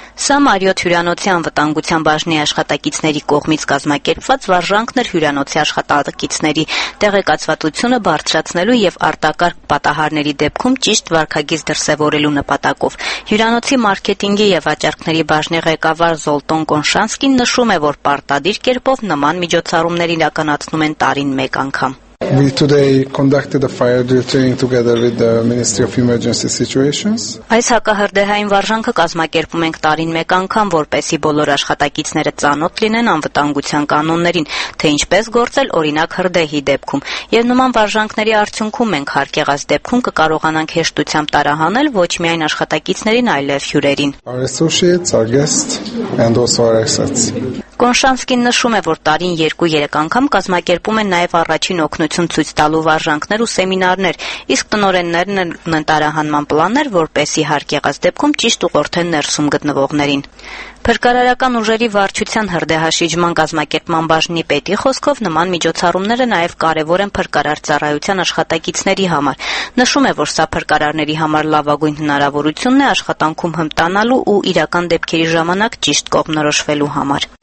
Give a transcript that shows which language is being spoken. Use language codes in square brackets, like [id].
[hy] Սա Մարիոթ հյուրանոցի անվտանգության բաժնի աշխատակիցների կողմից կազմակերպված վարժանքն էր հյուրանոցի աշխատակիցների տեղեկացվածությունը բարձրացնելու եւ արտակարգ պատահարների դեպքում ճիշտ վարքագիծ դրսեւորելու նպատակով։ Հյուրանոցի մարքեթինգի եւ վաճառքների բաժնի ղեկավար Զոլտոն Կոնշանսկին նշում է, որ պարտադիր կերպով նման միջոցառումներ իրականացնում են տարին 1 անգամ։ [en] We today conducted a fire drill training together with the Ministry of Emergency Situations. [hy] Այս հակահրդեհային վարժանքը կազմակերպում ենք տարին 1 անգամ, որպեսզի բոլոր աշխատակիցները ծանոթ լինեն անվտանգության կանոններին, թե ինչպես գործել օրինակ հրդեհի դեպքում։ Եվ նման վարժանքների արդյունքում մենք հարկեղած դեպքում կկարողանանք հեշտությամբ տարահանել ոչ միայն աշխատակիցներին, այլև հյուրերին։ [en] Our associates, our guests and also our assets. [hy] Կոնշանսկին նշում է, որ տարին 2-3 անգամ կազմակերպում են նաև առաջին օգնություն ցույց տալու վարժանքներ ու սեմինարներ, իսկ տնօրեններն են ընտարահանման պլաններ, որպեսի հարկեղած դեպքում ճիշտ ուղղորդեն ներսում գտնվողներին։ Փրկարարական ուժերի վարչության հրդեհաշիջման կազմակերպման բաժնի պետի խոսքով նման միջոցառումները նաև կարևոր են փրկարար ծառայության աշխատակիցների համար։ Նշում է, որ սա փրկարարների համար լավագույն հնարավորությունն է աշխատանքում հմտանալու ու իրական դեպքերի ժամանակ ճիշտ կողմնորոշվելու համար։